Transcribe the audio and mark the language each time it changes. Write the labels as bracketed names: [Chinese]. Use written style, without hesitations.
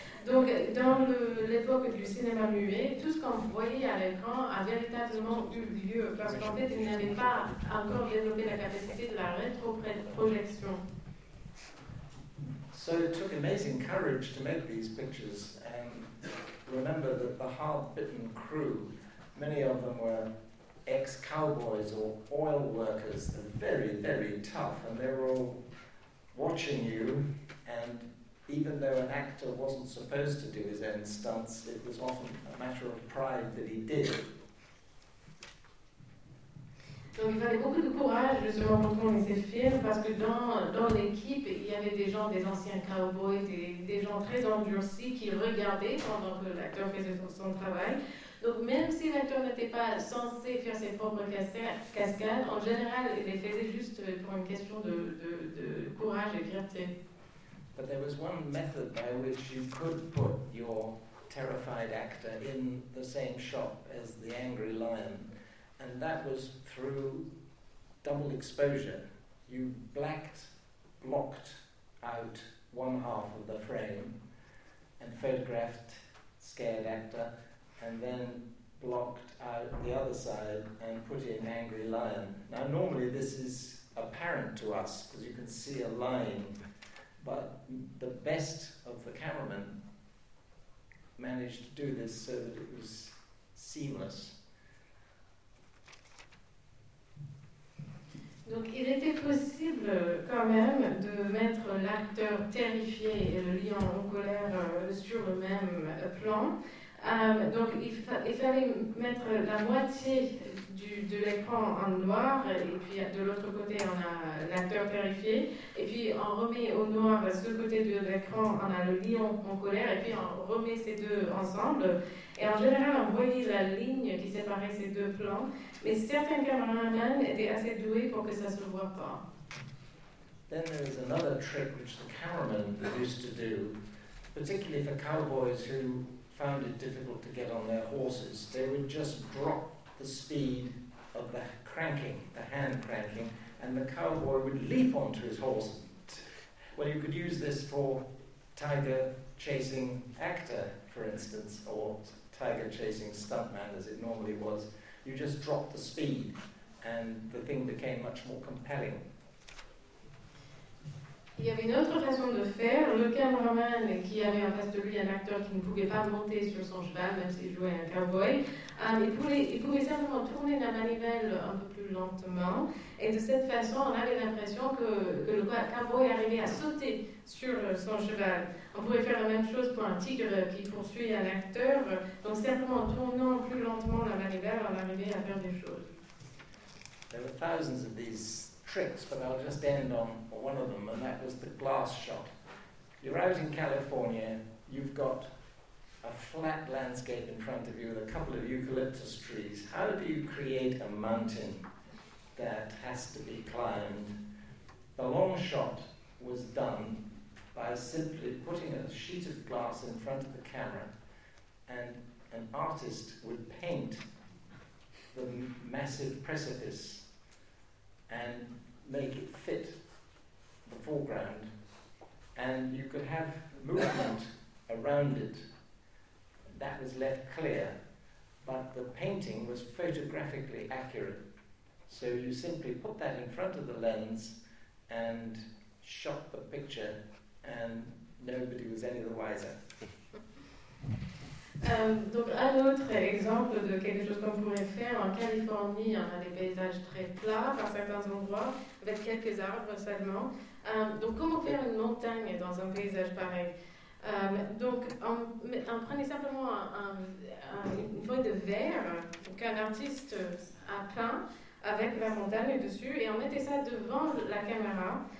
[French] Donc, dans l'époque du cinéma muet, tout ce qu'on voyait à l'écran a véritablement eu lieu, parce qu'en fait, ils n'avaient pas encore développé la capacité de la rétroprojection. [English] So it took amazing courage to make these pictures, and remember that the hard-bitten crew, many of them were ex-cowboys or oil workers, they're very, very tough, and they were all watching you, and even though an actor wasn't supposed to do his own stunts, it was often a matter of pride that he did. [French] Donc il fallait beaucoup de courage justement pour tourner ces films, parce que dans l'équipe, il y avait des gens, des anciens cowboys, des gens très endurcis qui regardaient pendant que l'acteur faisait son travail. Donc même si l'acteur n'était pas censé faire ses propres cascades, en général, il les faisait juste pour une question de courage et fierté. [English] But there was one method by which you could put your terrified actor in the same shot as the angry lion. And that was through double exposure. You blocked out one half of the frame and photographed scared actor, and then blocked out the other side and put in angry lion. Now normally this is apparent to us because you can see a line, but the best of the cameramen managed to do this so that it was seamless. [French] Donc il était possible quand même de mettre l'acteur terrifié et le lion en colère sur le même plan. Donc il fallait mettre la moitié de l'écran en noir et puis de l'autre côté on a l'acteur terrifié. Et puis on remet au noir ce côté de l'écran, on a le lion en colère et puis on remet ces deux ensemble. Et en général on voyait la ligne qui séparait ces deux plans. Mais certains caméramans étaient assez doués pour que ça ne se voit pas. [English] Then there is another trick which the cameraman used to do, particularly for cowboys who found it difficult to get on their horses. They would just drop the speed of the cranking, the hand cranking, and the cowboy would leap onto his horse. Well, you could use this for tiger chasing actor, for instance, or tiger chasing stuntman, as it normally was. You just drop the speed, and the thing became much more compelling. [French] Il y avait une autre façon de faire. Le cameraman qui avait en face de lui un acteur qui ne pouvait pas monter sur son cheval, même s'il jouait un cowboy, il pouvait simplement tourner la manivelle un peu plus lentement. Et de cette façon, on avait l'impression que le cowboy arrivait à sauter sur son cheval. On pouvait faire la même chose pour un tigre qui poursuit un acteur. Donc simplement en tournant plus lentement la manivelle, on arrivait à faire des choses. [English] There were thousands of these tricks, but I'll just end on one of them, and that was the glass shot. You're out in California, you've got a flat landscape in front of you with a couple of eucalyptus trees. How do you create a mountain that has to be climbed? The long shot was done by simply putting a sheet of glass in front of the camera, and an artist would paint the massive precipice and make it fit the foreground, and you could have movement around it. That was left clear, but the painting was photographically accurate. So you simply put that in front of the lens and shot the picture, and nobody was any the wiser. [French] Donc un autre exemple de quelque chose qu'on pourrait faire en Californie, on a des paysages très plats par certains endroits, avec quelques arbres seulement. Donc comment faire une montagne dans un paysage pareil? Donc on prenait simplement une feuille de verre qu'un artiste a peint avec la montagne dessus et on mettait ça devant la caméra.